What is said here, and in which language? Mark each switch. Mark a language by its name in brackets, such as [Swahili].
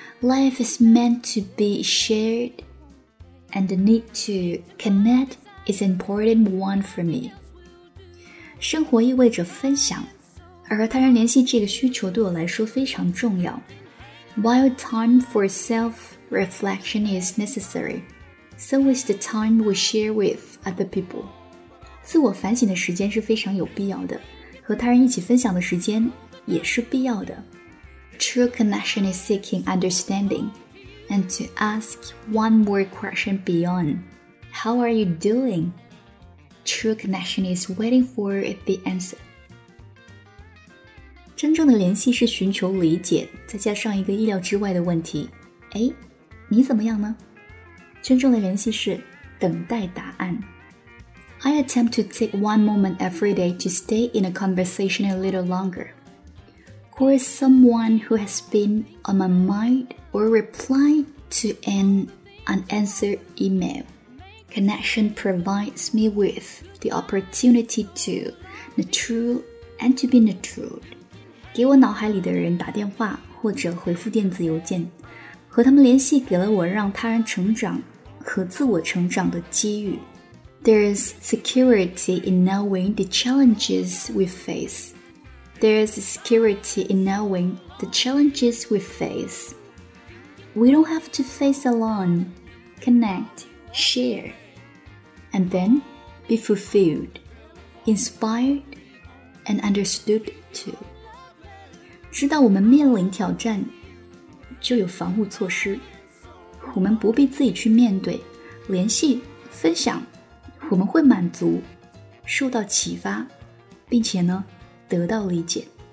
[English] Life is meant to be shared， and the need to connect is an important one for me。 [Chinese] 生活意味着分享，而和他人联系这个需求对我来说非常重要。 [English] While time for self-reflection is necessary, so is the time we share with other people. [Chinese] 自我反省的时间是非常有必要的，和他人一起分享的时间也是必要的。 [English] True connection is seeking understanding, and to ask one more question beyond. How are you doing? True connection is waiting for the answer. [Chinese] 真正的联系是寻求理解，再加上一个意料之外的问题。哎，你怎么样呢？真正的联系是等待答案。 [English] I attempt to take one moment every day to stay in a conversation a little longer. Call someone who has been on my mind or reply to an unanswered email. Connection provides me with the opportunity to nurture and to be nurtured. [Chinese] 给我脑海里的人打电话或者回复电子邮件，和他们联系给了我让他人成长和自我成长的机遇。 [English] There is security in knowing the challenges we face. There is security in knowing the challenges we face. We don't have to face alone. Connect, share. And then be fulfilled, inspired, and understood too. [Chinese] 知道我们面临挑战，就有防护措施。我们不必自己去面对，联系、分享，我们会满足，受到启发，并且呢，得到理解。